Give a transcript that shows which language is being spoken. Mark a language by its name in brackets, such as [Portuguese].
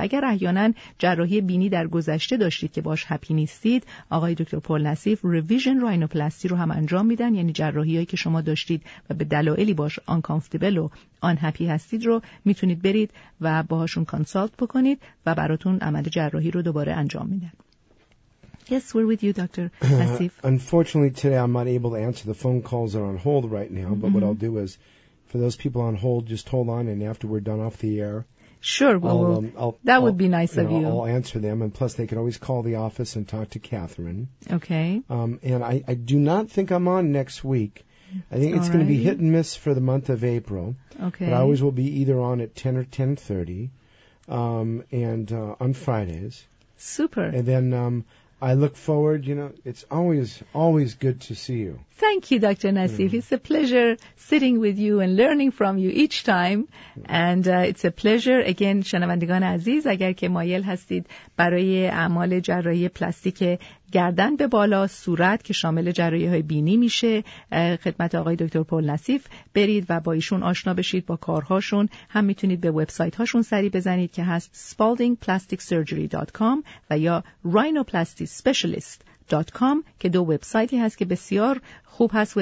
[Persian] اگر احیانا جراحی بینی در گذشته داشتید که باش هپی نیستید, آقای دکتر پول نصیف ریویژن راینوپلاستی رو هم انجام میدن, یعنی جراحی هایی که شما داشتید و به دلایلی باش آنکامفتبل و آنهپی هستید رو میتونید برید و باهاشون کانسالت بکنید و براتون عمل جراحی رو دوباره انجام میدن. [English] Yes, we're with you, Dr. Nassif. Unfortunately, today I'm not able to answer the phone calls that are on hold right now, but mm-hmm. what I'll do is, for those people on hold, just hold on, and after we're done off the air, sure, that would be nice of you. I'll answer them, and plus they can always call the office and talk to Catherine. Okay. And I do not think I'm on next week. I think it's going to be hit and miss for the month of April. Okay. But I always will be either on at 10 or 10:30 on Fridays. Super. And then... I look forward, you know, it's always good to see you. Thank you, Dr. Nassif. Mm-hmm. It's a pleasure sitting with you and learning from you each time. Mm-hmm. And it's a pleasure. [Persian] Again, شنوندگان عزیز, اگر که مایل هستید برای اعمال جراحی پلاستیک گردن به بالا, صورت که شامل جراحی‌های بینی میشه, خدمت آقای دکتر پول نصیف برید و با ایشون آشنا بشید با کارهاشون, هم میتونید به وبسایت هاشون سری بزنید که هست spaldingplasticsurgery.com و یا rhinoplastyspecialist.com, که دو وبسایتی هست که بسیار خوب هست.